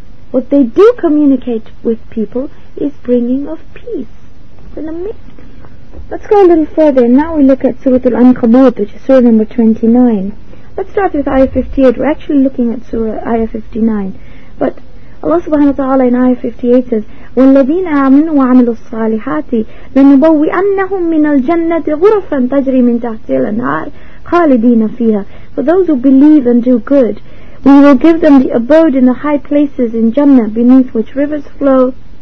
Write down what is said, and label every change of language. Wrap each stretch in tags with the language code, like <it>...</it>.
<en>What they do communicate with people is bringing of peace. Let's go a little further. Now we look at Surah Al-Ankabut, which is Surah number 29. Let's start with Ayah 58. We're actually looking at Surah Ayah 59. But Allah subhanahu wa ta'ala in Ayah 58 says,</en> <ar>وَالَّذِينَ آمَنُوا وَعَمِلُوا الصَّالِحَاتِ لَنُبَوِّئَنَّهُمْ مِنَ الْجَنَّةِ غُرَفًا تَجْرِي مِنْ تَحْتِهَا الْأَنْهَارُ خَالِدِينَ فِيهَا.</ar> <en>For those who believe and do good, we will give them the abode in the high places in Jannah, beneath which rivers flow.</en>